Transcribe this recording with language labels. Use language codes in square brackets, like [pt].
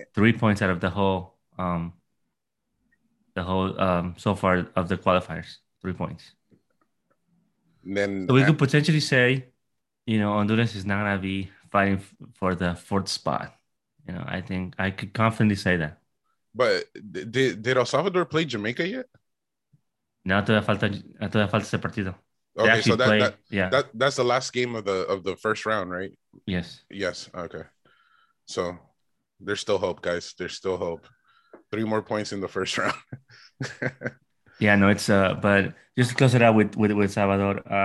[en] 3 points out of the whole the whole so far of the qualifiers, 3 points. And then so we could potentially say, you know, Honduras is not going to be fighting for the fourth spot. You know, I think I could confidently say that. But did El Salvador play Jamaica yet? [es] No, todavía falta ese partido. [en] Okay, so that's the last game of the first round, right? Yes. Yes. Okay. So there's still hope, guys. There's still hope. 3 more points in the first round. Yeah, no, it's but just to close it out with Salvador.